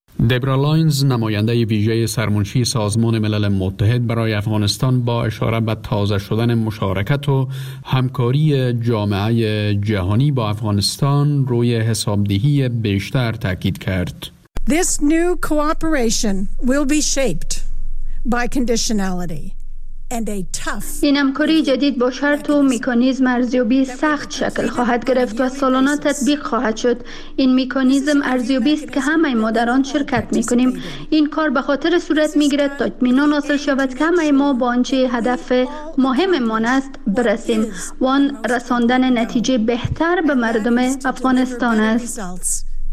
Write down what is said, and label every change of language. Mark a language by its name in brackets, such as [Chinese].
[Persian] دبرا لاینز، نماینده ویژه سرمنشی سازمان ملل متحد برای افغانستان، با اشاره به تازه شدن مشارکت و همکاری جامعه جهانی با افغانستان روی حسابدهی بیشتر تاکید کرد. [English] This new cooperation will be shaped by conditionality. [Persian] این همکاری جدید با شرط و میکانیزم ارزیابی سخت شکل خواهد گرفت و سالانه تطبیق خواهد شد. این میکانیزم ارزیابی است که همه مادران شرکت میکنیم. این کار به خاطر صورت میگیرد تا اطمینان حاصل شود که همه ما با آنچه هدف مهم ما است برسیم و آن رساندن نتیجه بهتر به مردم افغانستان است.